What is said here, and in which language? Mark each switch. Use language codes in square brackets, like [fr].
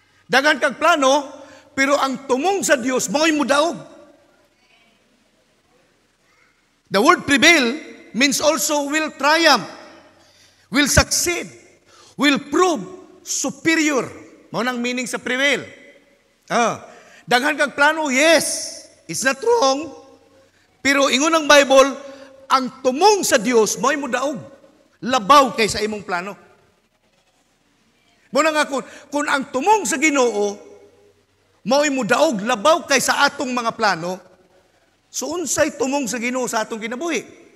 [ceb] Daghan kag plano, pero ang tumong sa Dios mao'y mudaog. [en] The word prevail means also will triumph, will succeed, will prove superior. [ceb] Mao nang meaning sa prevail. Daghan kag plano, yes, [en] it's not wrong. [ceb] Pero ingon ang Bible, ang tumong sa Dios mao'y mudaog, labaw kaysa imong plano. Muna nga kung ang tumong sa Ginoo, mao'y mudaog labaw kaysa atong mga plano, so unsay tumong sa Ginoo sa atong kinabuhi?